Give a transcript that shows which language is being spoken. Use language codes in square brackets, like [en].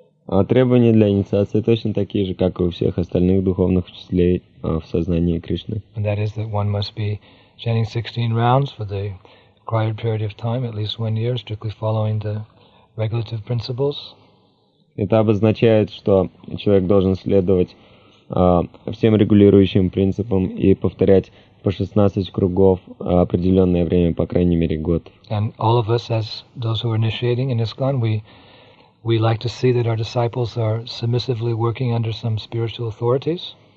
[ru] А требования для инициации точно такие же, как и у всех остальных духовных учителей в сознании Кришны. [en] And that is that one must be chanting 16 rounds for the required period of time, at least 1 year, strictly following the regulative principles. [ru] Это обозначает, что человек должен следовать всем регулирующим принципам и повторять по 16 кругов определенное время, по крайней мере год. [en] And all of us, as those who are initiating in ISKCON, we like to see that our disciples are submissively working under some spiritual authorities.